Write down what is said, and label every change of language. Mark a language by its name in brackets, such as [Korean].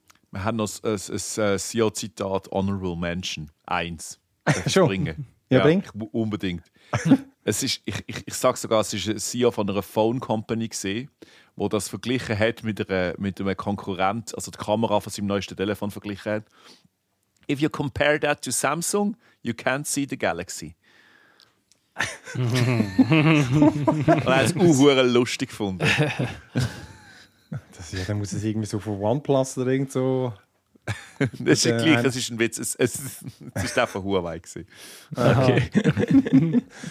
[German] Wir haben noch ein CEO-Zitat, [English] Honorable Mention 1. [German] Schon. Bringen. Ja, bringt. Unbedingt. Es ist, ich sage sogar, es war ein CEO von einer Phone Company, der das verglichen hat mit einem Konkurrent, also die Kamera von seinem neuesten Telefon verglichen hat. [English] If you compare that to Samsung, you can't see the Galaxy. [German] Und er hat es sehr lustig gefunden. Das, ja, dann muss es irgendwie so von OnePlus oder irgend so. Das ist gleich, es ist ein Witz. Es ist einfach Huawei gewesen. Okay.